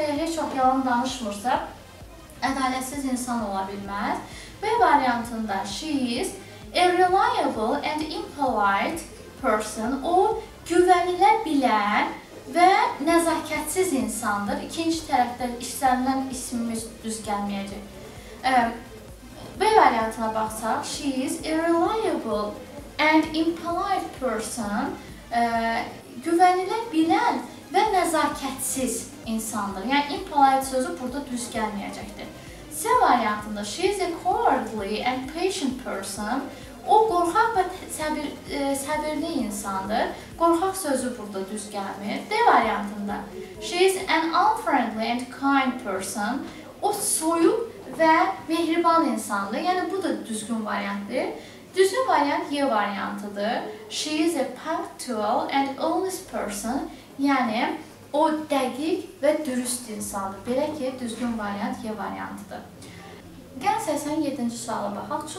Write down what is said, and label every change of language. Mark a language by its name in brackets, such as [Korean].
[Azerbaijani] Əgər heç vaxt yalan danışmırsa, ədalətsiz insan ola bilməz. B variantında [English] she is a reliable and impolite person. [Azerbaijani] O, güvənilə bilən və nəzakətsiz insandır. İkinci tərəfdə istənilən ismimiz düz gəlməyəcək. B variantına baxsaq, [English] she is a reliable and impolite person. [Azerbaijani] Güvənilə bilən və nəzakətsiz insandır. Yəni, impolite sözü burada düz gəlməyəcəkdir. C variantında, [English] she is a cowardly and patient person. [Azerbaijani] O, qorxaq və səbirli insandır. Qorxaq sözü burada düz gəlmir. D variantında, [English] she is an unfriendly and kind person. [Azerbaijani] O, soyuq və mehriban insandır. Yəni, bu da düzgün variantdır. Düzgün variant Y variantıdır. [English] She is a punctual and honest person. [Azerbaijani] Yəni, o dəqiq və dürüst insandır. Belə ki, düzgün variant Y variantıdır. Gəl 87-ci suala baxaq.